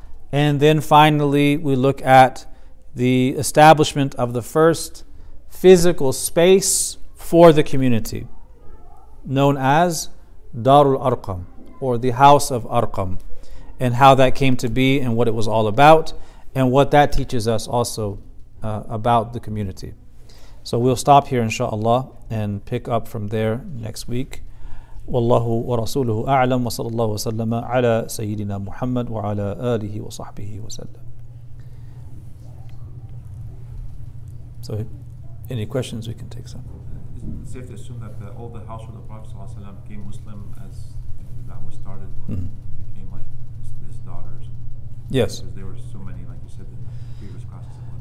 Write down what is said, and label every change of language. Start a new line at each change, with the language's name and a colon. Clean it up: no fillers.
English: And then finally, we look at the establishment of the first physical space for the community, known as Darul Arqam, or the House of Arqam, and how that came to be and what it was all about, and what that teaches us also about the community. So we'll stop here, inshallah, and pick up from there next week.
Arabic: والله ورسوله أعلم وصلى الله وسلم على سيدنا محمد وعلى آله وصحبه وسلم.
English: So, any questions? We can take some. It's safe to assume that all the household of the Prophet ﷺ became Muslim as that was started, became like his daughters. Yes. Because there were so many, like you said, in previous classes.